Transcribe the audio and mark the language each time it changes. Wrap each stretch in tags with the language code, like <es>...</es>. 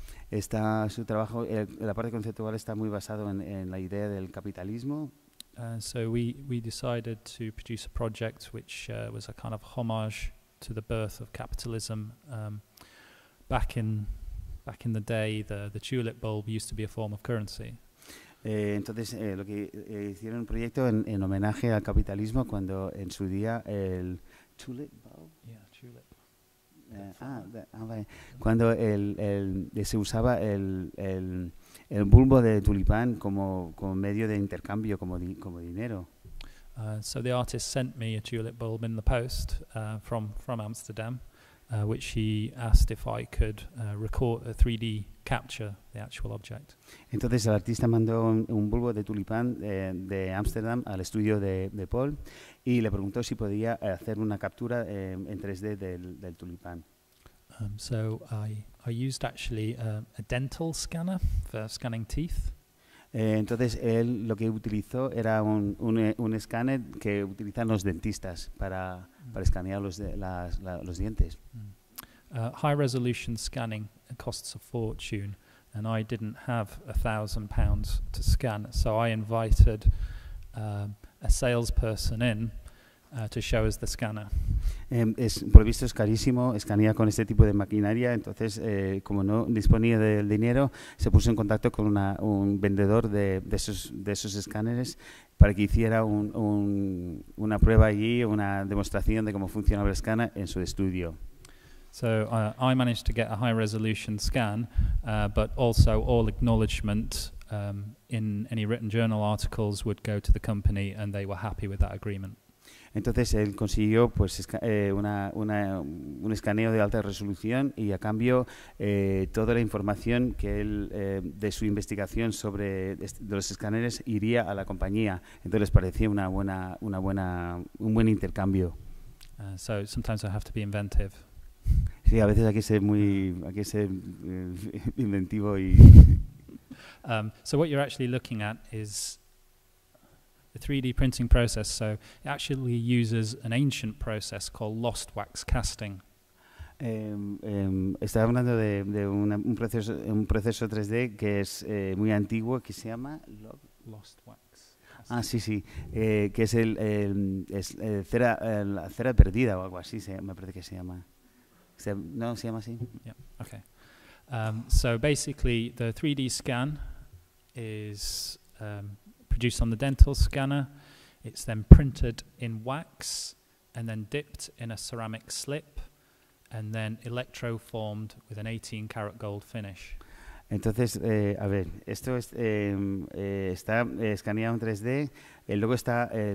<es>Está su trabajo, la parte conceptual está muy basado en la idea del capitalismo.</es> <en>So we decided to produce a project which was a kind of homage to the birth of capitalism. Back in the day, the tulip bulb used to be a form of currency.</en> <es>Entonces, lo que hicieron un proyecto en homenaje al capitalismo cuando en su día el</es> <en>tulip bulb. Yeah, tulip.</en> <es>Cuando el se usaba el bulbo de tulipán como medio de intercambio, como dinero.</es> <en>So the artist sent me a tulip bulb in the post from Amsterdam, which he asked if I could record a 3D capture the actual object.</en> <es>Entonces el artista mandó un bulbo de tulipán de Amsterdam al estudio de Paul y le preguntó si podía hacer una captura en 3D del tulipán.</es> <en>So I used actually a dental scanner for scanning teeth.</en> <es>Entonces él lo que utilizó era un escáner que utilizan los dentistas para escanear los dientes.</es> <en>High resolution scanning costs a fortune, and I didn't have £1,000 to scan, so I invited a salesperson in to show us the scanner.</en> <es>Por lo visto es carísimo escanear con este tipo de maquinaria, entonces como no disponía del dinero, se puso en contacto con un vendedor de esos escáneres para que hiciera una prueba allí, una demostración de cómo funcionaba el escáner en su estudio.</es> <en>So I managed to get a high resolution scan, but also all acknowledgement in any written journal articles would go to the company, and they were happy with that agreement.</en> <es>Entonces él consiguió pues un escaneo de alta resolución y a cambio toda la información que él de su investigación sobre de los escáneres iría a la compañía. Entonces parecía un buen intercambio.</es> <en>So sometimes I have to be inventive.</en> <es>Sí, a veces hay que ser inventivo y</es> <en>So what you're actually looking at is the 3D printing process, so it actually uses an ancient process called lost wax casting.</en> <es>Estaba hablando de un proceso 3D que es muy antiguo, que se llama</es> <en>lost wax casting.</en> <es>Ah, sí, sí, que es la cera perdida o algo así, me parece que se llama. ¿No se llama así?</es> <en>Yeah, okay. So basically, the 3D scan is produced on the dental scanner, it's then printed in wax and then dipped in a ceramic slip and then electroformed with an 18 karat gold finish.</en> <es>Entonces, a ver, esto es, está escaneado en 3D, luego está</es>